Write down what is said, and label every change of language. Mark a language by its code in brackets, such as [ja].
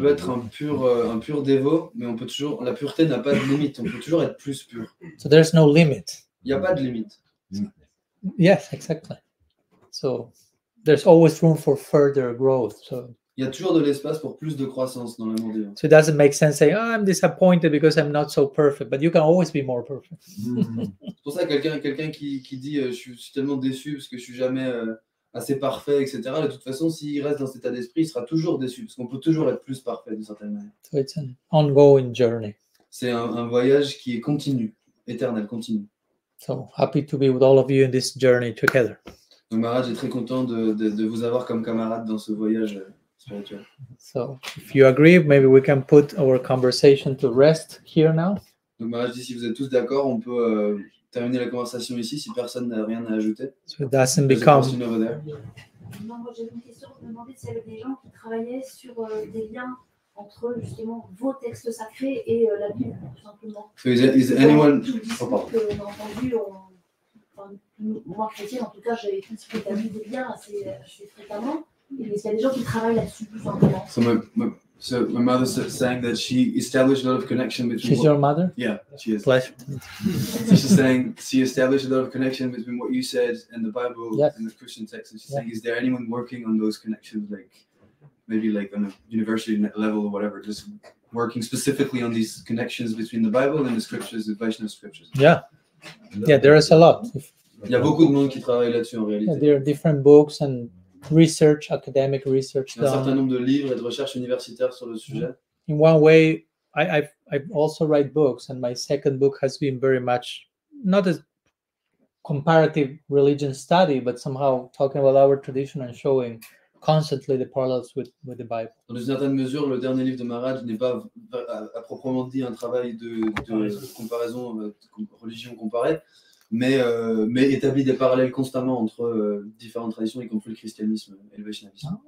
[fr] On peut être un pur dévot, mais on peut toujours, la pureté n'a pas de limite. On peut toujours être plus pur. [en] So there's no limit. [fr] Il n'y a pas de limite. [en] So, yes, exactly. So there's always room for further growth. So [fr] il y a toujours de l'espace pour plus de croissance dans le monde divin. [en] So it doesn't make sense saying, oh, I'm disappointed because I'm not so perfect, but you can always be more perfect. [fr] C'est pour ça que quelqu'un qui dit je suis tellement déçu parce que je suis jamais assez parfait, etc. De toute façon, s'il reste dans cet état d'esprit, il sera toujours déçu parce qu'on peut toujours être plus parfait d'une certaine manière. [en] So it's an ongoing journey. [fr] C'est un voyage qui est continu, éternel, continu. [en] So happy to be with all of you in this journey together. [fr] Donc Maharaj est très content de vous avoir comme camarade dans ce voyage spirituel. [en] So if you agree, maybe we can put our conversation to rest here now. [fr] Donc Maharaj dit, si vous êtes tous d'accord, on peut terminer la conversation ici si personne n'a rien à ajouter. [en] So it doesn't become. [fr] J'avais une question, je me demandais s'il y avait des gens qui travaillaient sur des liens entre justement vos textes sacrés et la Bible, tout simplement. [en] Is anyone... [fr] Tout le discours que j'ai entendu, moi chrétienne, en tout cas, j'avais tout ce qui est bien assez fréquemment. Est-ce qu'il y a des gens qui travaillent là-dessus plus simplement? [en] So my mother saying that she established a lot of connection between. She's your mother? Yeah, she is. Pleasure. So she's saying she established a lot of connection between what you said and the Bible and the Christian texts. And she's saying, is there anyone working on those connections, like? Maybe like on a university level or whatever, just working specifically on these connections between the Bible and the scriptures, the Vaishnava scriptures. Yeah. Yeah, there is a lot. [fr] Il y a beaucoup de monde qui travaille là-dessus en réalité. [en] There are different books and research, academic research. [fr] Il y a un certain nombre de livres et de recherches universitaires sur le sujet. [en] In one way, I also write books, and my second book has been very much not a comparative religion study, but somehow talking about our tradition and showing constantly the parallels with the Bible. [fr] Dans une certaine mesure, le dernier livre de Maharaj n'est pas à proprement dit un travail de comparaison, de religion comparée, mais établit des parallèles constamment entre différentes traditions, y compris le christianisme et le vaishnavisme.